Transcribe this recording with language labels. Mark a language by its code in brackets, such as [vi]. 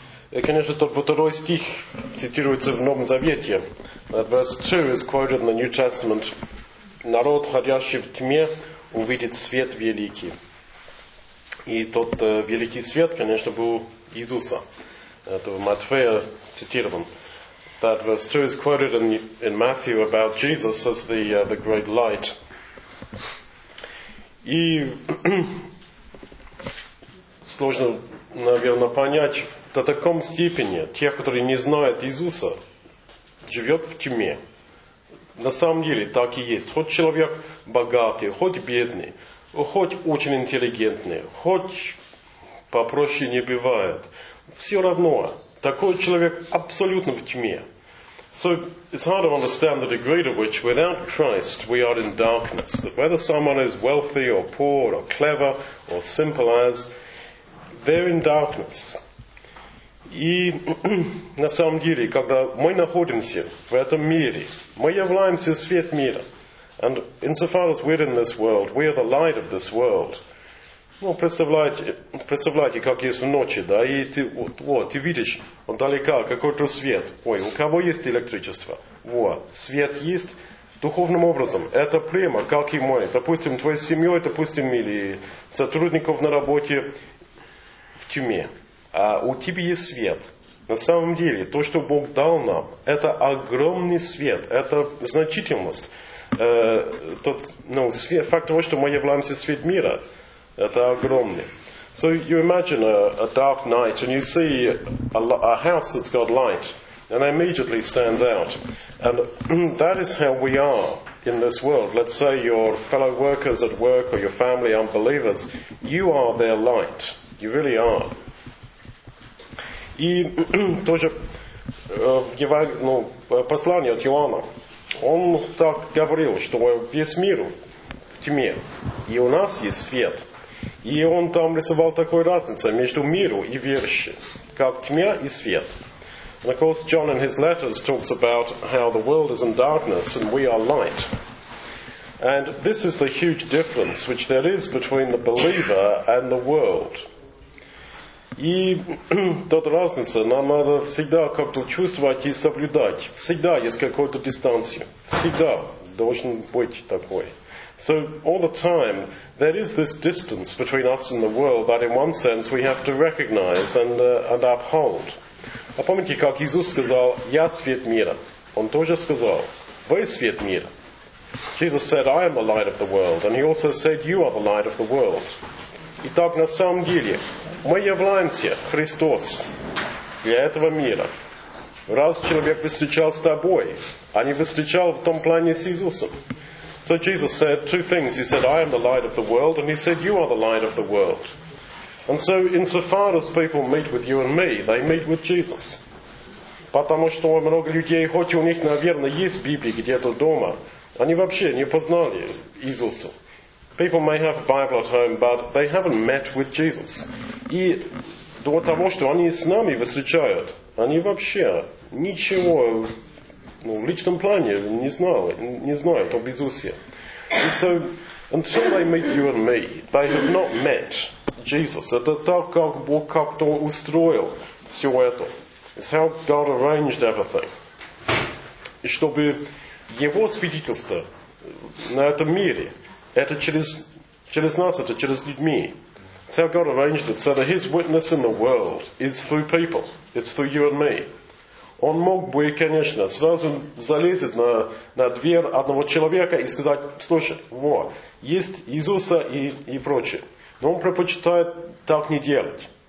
[ru] И, конечно, тот второй стих цитируется в Новом Завете. [en] Verse 2 is quoted in the New Testament. [ru] Народ, ходящий в тьме, увидит свет великий. И тот великий свет, конечно, был Иисуса. Это в Матфея цитирован. [en] That verse 2 is quoted in Matthew about Jesus as the great light. [ru] И сложно, наверное, понять, до такой степени те, которые не знают Иисуса, живет в тьме. На самом деле так и есть. Хоть человек богатый, хоть бедный, хоть очень интеллигентный, хоть попроще не бывает, все равно такой человек абсолютно в тьме. [en] So it's hard to understand the degree to which without Christ we are in darkness. That whether someone is wealthy or poor or clever or simple as, they're in darkness. [ru] И на самом деле, когда мы находимся в этом мире, мы являемся свет мира. [en] And insofar as we're in this world, we are the light of this world. [ru] Ну, представляете, как есть в ночи, да, и ты, вот, ты видишь, вдалека какой-то свет. Ой, у кого есть электричество? Вот, свет есть духовным образом. Это прямо, как и мой. Допустим, твоей семьей, допустим, или сотрудников на работе в тюрьме. А у тебя есть свет. На самом деле, то, что Бог дал нам, это огромный свет, это значительность. Свет, факт того, что мы являемся свет мира, это огромный. [en] So you imagine a dark night and you see a house that's got light and it immediately stands out. And that is how we are in this world. Let's say your fellow workers at work or your family aren't believers. You are their light. You really are. [ru] И тоже послание от Иоанна. Он так говорил, что весь мир в тьме, и у нас есть свет. И он там рисовал такую разницу между миром и верующим, как тьме и свет. [en] And of course, John in his letters talks about how the world is in darkness and we are light. And this is the huge difference which there is between the believer and the world. [ru] И тот разница, нам надо всегда как-то чувствовать и соблюдать. Всегда есть какую-то дистанцию. Всегда должен быть такой. [en] So all the time, there is this distance between us and the world that in one sense we have to recognize and uphold. [ru] А помните, как Иисус сказал, «Я свет мира». Он тоже сказал, «Вы свет мира». [en] Jesus said, «I am the light of the world». And he also said, «You are the light of the world». [ru] Итак, на самом деле, мы являемся Христос для этого мира. Раз человек встречал с тобой, а не встречал в том плане с Иисусом. [en] So Jesus said two things. He said, I am the light of the world, and he said, you are the light of the world. And so insofar as people meet with you and me, they meet with Jesus. [ru] Потому что много людей, хоть у них, наверное, есть Библия где-то дома, они вообще не познали Иисуса. [en] People may have a Bible at home, but they haven't met with Jesus. [ru] И до того, что они с нами встречают, они вообще ничего в личном плане не знают об Иисусе. [en] And so, until they meet you and me, they have not met Jesus. [ru] Это так, как Бог как-то устроил все это. [en] It's how God arranged everything. [ru] И чтобы Его свидетельство на этом мире, это через нас, это через людьми. [en] It's how God arranged it. So that His witness in the world is through people. It's through you and me. [ru] Он мог бы, конечно, сразу залезть на дверь одного человека и сказать, слушай, вот, есть Иисуса и прочее. Но он предпочитает так не делать.